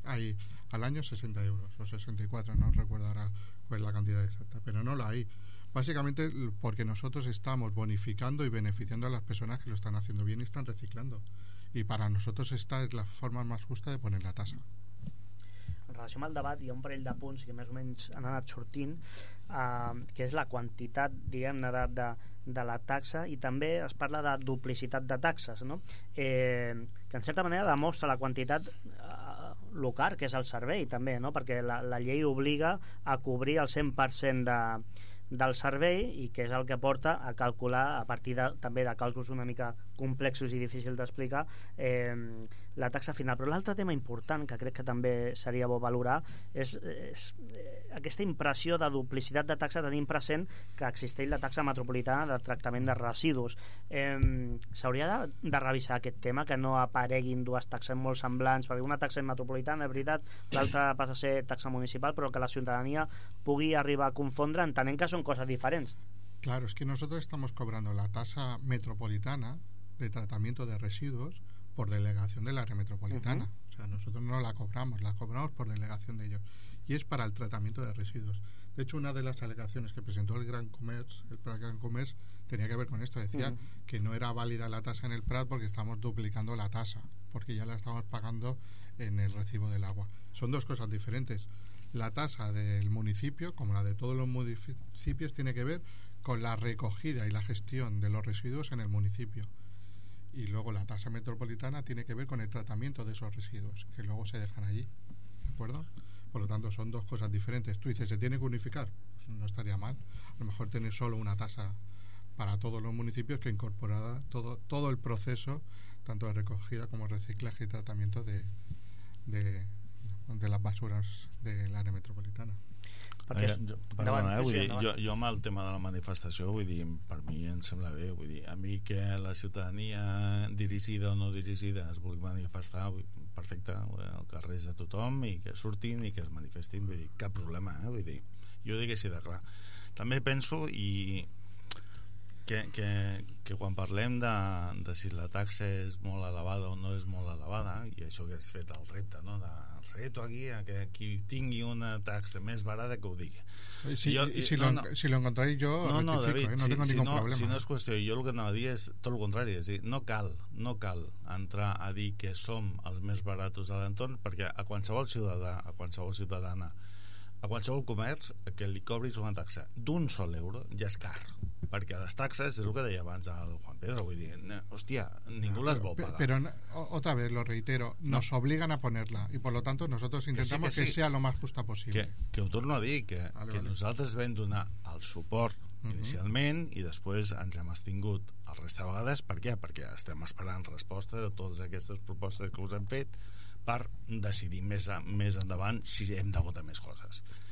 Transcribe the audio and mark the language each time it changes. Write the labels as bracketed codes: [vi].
[es] Hay al año 60 euros o 64, no recuerdo ahora cuál es la cantidad exacta, pero no la hay. Básicamente porque nosotros estamos bonificando y beneficiando a las personas que lo están haciendo bien y están reciclando. Y para nosotros esta es la forma más justa de poner la tasa. [ca] En relació amb el debat, hi ha un parell de punts que més o menys han anat sortint, que és la quantitat, diguem-ne, de la taxa, i també es parla de duplicitat de taxes, no? Que en certa manera demostra la quantitat local, que és el servei, també, no? Perquè la llei obliga a cobrir el 100% del servei, i que és el que porta a calcular, a partir també de càlculs una mica complexos i difícils d'explicar, la taxa final. Però l'altre tema important, que crec que també seria bo valorar, és aquesta impressió de duplicitat de taxa, tenint present que existeix la taxa metropolitana de tractament de residus. S'hauria de revisar aquest tema, que no apareguin dues taxes molt semblants, perquè una taxa metropolitana, de veritat, l'altra passa a ser taxa municipal, però que la ciutadania pugui arribar a confondre entenent que són coses diferents. [es] Claro, es que nosotros estamos cobrando la tasa metropolitana de tratamiento de residuos por delegación del área metropolitana. Uh-huh. O sea, nosotros no la cobramos, la cobramos por delegación de ellos. Y es para el tratamiento de residuos. De hecho, una de las alegaciones que presentó el Gran Comerç, tenía que ver con esto. Decía que no era válida la tasa en el Prat porque estamos duplicando la tasa, porque ya la estamos pagando en el recibo del agua. Son dos cosas diferentes. La tasa del municipio, como la de todos los municipios, tiene que ver con la recogida y la gestión de los residuos en el municipio. Y luego la tasa metropolitana tiene que ver con el tratamiento de esos residuos, que luego se dejan allí, ¿de acuerdo? Por lo tanto, son dos cosas diferentes. Tú dices, ¿se tiene que unificar? Pues no estaría mal. A lo mejor tener solo una tasa para todos los municipios que incorporara todo el proceso, tanto de recogida como reciclaje y tratamiento de las basuras de [ca] l'àrea metropolitana. Jo amb el tema de la manifestació, vull dir, per mi em sembla bé, vull dir, a mi que la ciutadania dirigida o no dirigida es vulgui manifestar, perfecte, el carrer és de tothom i que surtin i que es manifestin, vull dir, cap problema, vull dir, jo diguéssim de clar. També penso i que quan parlem de si la taxa és molt elevada o no és molt elevada, i això que has fet el repte, no?, de reto aquí a que qui tingui una taxa més barata que ho digui. [es] Si lo encontré jo, no, [ca] David, no tinc ningun problema. Si no és qüestió, jo el que anava a dir és tot el contrari, és dir, no cal entrar a dir que som els més baratos de l'entorn, perquè a qualsevol ciutadà, a qualsevol ciutadana, a qualsevol comerç, que li cobris una taxa d'un sol euro, ja és car. Perquè les taxes, és el que deia abans el Juan Pedro, vull dir, hòstia, ningú les vol pagar. [es] Però, otra vez, lo reitero, nos obligan a ponerla i, por lo tanto, nosotros intentamos que sea lo más justa posible. [ca] Que ho torno a dir, que nosaltres vam donar el suport inicialment i després ens hem abstingut el resta de vegades. Per què? Perquè estem esperant resposta de totes aquestes propostes que us hem fet per decidir més endavant si hem de votar més coses.